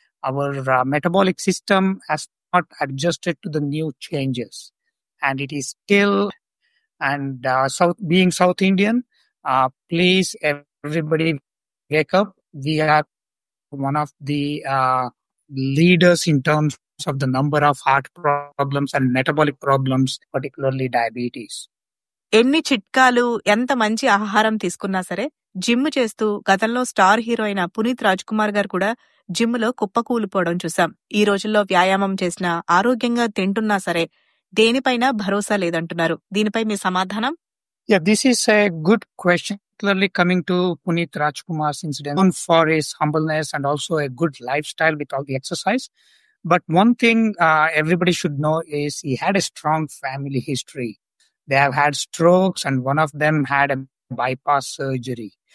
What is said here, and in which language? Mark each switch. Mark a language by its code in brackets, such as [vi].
[en] Our metabolic system has not adjusted to the new changes, and it is still, and being South Indian, please everybody wake up. We are one of the leaders in terms of the number of heart problems and metabolic problems, particularly diabetes. [te] ఎన్ని చిట్కాలు, ఎంత మంచి ఆహారం తీసుకున్నా సరే gym చేస్తూ, గతంలో star hero అయిన పునీత్ రాజ్ కుమార్ గారు కూడా జిమ్లో కుప్ప కూలిపోవడం చూసాం. ఈ రోజుల్లో వ్యాయామం చేసినా, ఆరోగ్యంగా తింటున్నా సరే దేనిపైన భరోసా లేదంటున్నారు. దీనిపై మీ సమాధానం? [en] Yeah, this is a good question. Particularly coming to Puneet Rajkumar's incident, known for his humbleness and also a good lifestyle with all the exercise. But one thing everybody should know is he had a strong family history. They have had strokes and one of them had a bypass surgery.